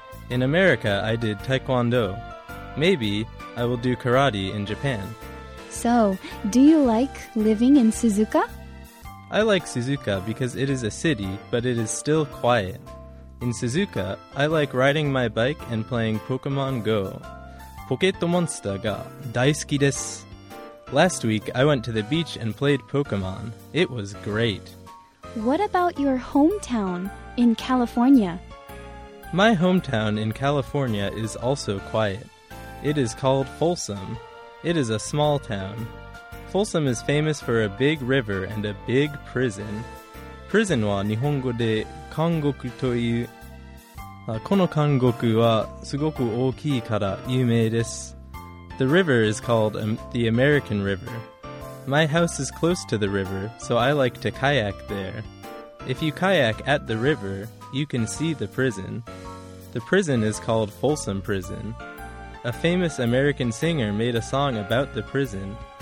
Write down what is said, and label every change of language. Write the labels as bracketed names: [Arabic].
[English] In America, I did taekwondo. Maybe I will do karate in Japan. So, do you like living in Suzuka? I like Suzuka because it is a city, but it is still quiet. In Suzuka, I like riding my bike and playing Pokemon Go. [Japanese] ポケットモンスターが大好きです。 [English] Last week, I went to the beach and played Pokemon. It was great. What about your hometown in California? My hometown in California is also quiet. It is called Folsom. It is a small town. Folsom is famous for a big river and a big prison. [Japanese] Prison は日本語で監獄という。この監獄はすごく大きいから有名です。 [English] The river is called the American River. My house is close to the river, so I like to kayak there. If you kayak at the river, you can see the prison. The prison is called Folsom Prison. A famous American singer made a song about the prison.